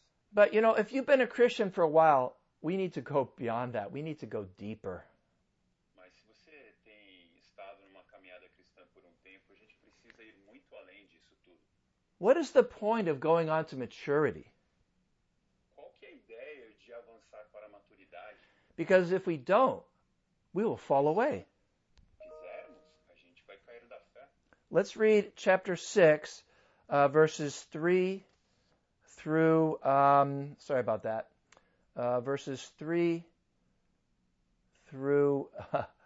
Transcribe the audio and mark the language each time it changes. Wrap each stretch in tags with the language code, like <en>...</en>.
<en>But, you know, if you've been a Christian for a while, we need to go beyond that. We need to go deeper.</en> <pt>Mas se você tem estado numa caminhada cristã por tempo, a gente precisa ir muito além disso tudo.</pt> <en>What is the point of going on to maturity?</en> <pt>Qual que é a ideia de avançar para a maturidade?</pt> <en>Because if we don't, we will fall away.</en> <pt>Quisermos, a gente vai cair da fé.</pt> <en>Let's read chapter 6, verses 3 through, sorry about that, verses 3 through 8.</en>